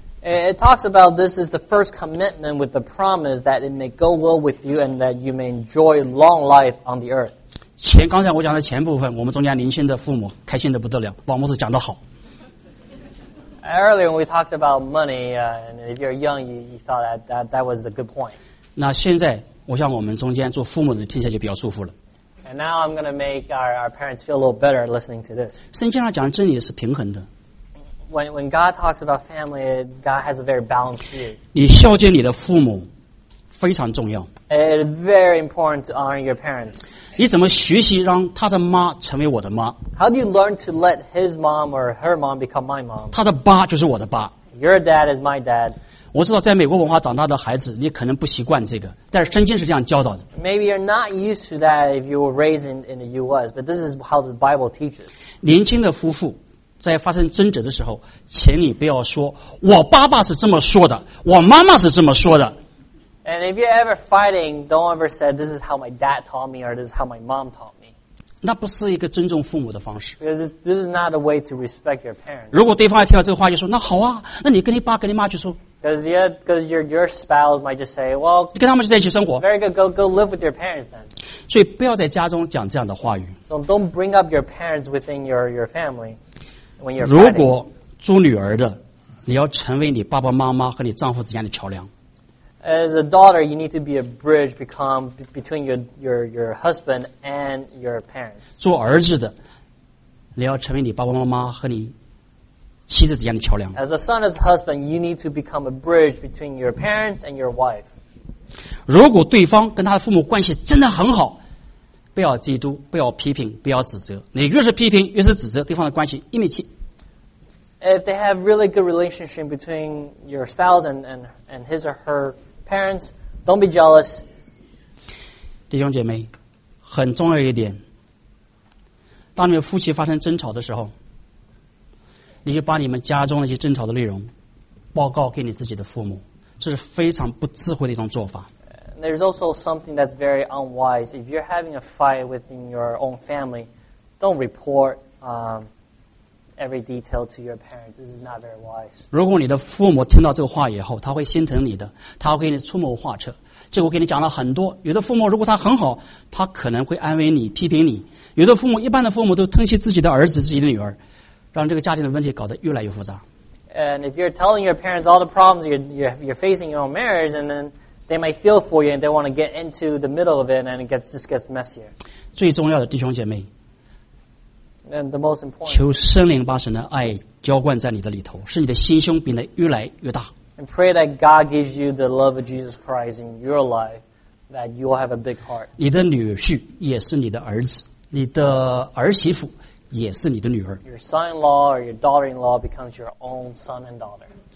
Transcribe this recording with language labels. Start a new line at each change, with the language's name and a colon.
English: It talks about this is the first commitment with the promise that it may go well with you and that you may enjoy long life on the earth.
Chinese: 前刚才我讲的前部分，我们中间灵性的父母开心的不得了，王牧师讲得好。
English: Earlier when we talked about money, and if you're young, you thought that was a good point.
Chinese: 那现在我想我们中间做父母的听起来就比较舒服了。
English: And now I'm going to make our parents feel a little better listening to this.
Chinese: 圣经上讲真理是平衡的。
English: When God talks about family, God has a very balanced view.
Chinese: 你孝敬你的父母非常重要。
English: It's very important to honor your parents.
Chinese: 你怎么学习让他的妈成为我的妈？
English: How do you learn to let his mom or her mom become my mom?
Chinese: 他的爸就是我的爸。
English: Your dad is my dad.
Chinese: 我知道在美国文化长大的孩子，你可能不习惯这个，但是圣经是这样教导的。
English: Maybe you're not used to that if you were raised in the U.S., but this is how the Bible teaches.
Chinese: 年轻的夫妇在发生争执的时候，请你不要说，我爸爸是这么说的，我妈妈是这么说的。
English: And if you're ever fighting, don't ever say, this is how my dad taught me or this is how my mom taught me.
Chinese: 那不是一个尊重父母的方式。
English: Because this is not a way to respect your parents.
Chinese: 如果对方要听到这个话就说，那好啊，那你跟你爸跟你妈就说。
English: Because your spouse might just say, well,
Chinese: 你跟他们就在一起生活。
English: Very good, go live with your parents then.
Chinese: 所以不要在家中讲这样的话语。
English: So don't bring up your parents within your family when you're fighting.
Chinese: 如果做女儿的，你要成为你爸爸妈妈和你丈夫之间的桥梁。
English: As a daughter, you need to be a bridge between your husband and your parents.
Chinese: 做儿子的，你要成为你爸爸妈妈和你妻子之间的桥梁。
English: As a son, as a husband, you need to become a bridge between your parents and your wife.
Chinese: 如果对方跟他的父母关系真的很好，不要嫉妒，不要批评，不要指责。你越是批评，越是指责，对方的关系一米七。
English: If they have really good relationship between your spouse and his or her parents, don't be jealous.
Chinese: 弟兄姐妹，很重要一点，当你们夫妻发生争吵的时候，你就把你们家中的一些争吵的内容报告给你自己的父母，这是非常不智慧的一种做法。
English: There's also something that's very unwise. If you're having a fight within your own family, don't report every detail to your parents. This is not very wise.
Chinese: 如果你的父母听到这个话以后，他会心疼你的，他会给你出谋划策。这我给你讲了很多。有的父母如果他很好，他可能会安慰你、批评你；有的父母，一般的父母都疼惜自己的儿子、自己的女儿，让这个家庭的问题搞得越来越复杂。
English: And if you're telling your parents all the problems you're facing in your own marriage, and then they might feel for you and they want to get into the middle of it, and it just gets messier.
Chinese: 最重要的弟兄姐妹。
English: And the most important.
Chinese: 求圣灵把神的爱浇灌在你的里头，使你的心胸变得越来越大。
English: And pray that God gives you the love of Jesus Christ in your life, that you will have a big heart.
Chinese: 你的女婿也是你的儿子，你的儿媳妇也是你的女儿。
English: Your son-in-law or your daughter-in-law becomes your own son and daughter.